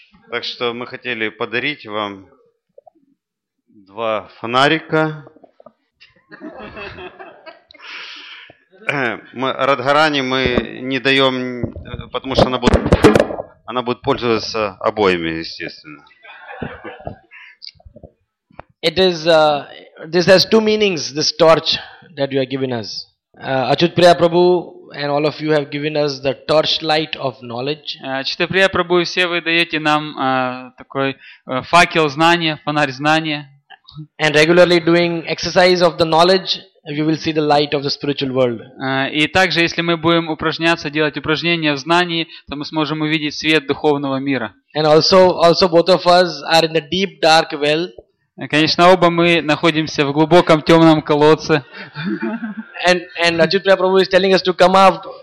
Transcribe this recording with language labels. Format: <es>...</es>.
<ru>Так что мы хотели подарить вам 2 фонарика. Мы, Радхарани, мы не даем, потому что она будет пользоваться обоими, естественно.</ru> <en>It is this has two meanings, this torch that you are giving us. Achyut Priya Prabhu and all of you have given us the torchlight of knowledge.</en> <ru>Achyut Priya Prabhu, и все вы даете нам такой факел знания, фонарь знания.</ru> <en>And regularly doing exercise of the knowledge, we will see the light of the spiritual world.</en> <ru>И также, если мы будем упражняться, делать упражнения в знании, то мы сможем увидеть свет духовного мира.</ru> <en>And also both of us are in the deep dark well.</en> <ru>Конечно, оба мы находимся в глубоком темном колодце.</ru> <en>And Achyut Priya Prabhu is telling us to come out.</en>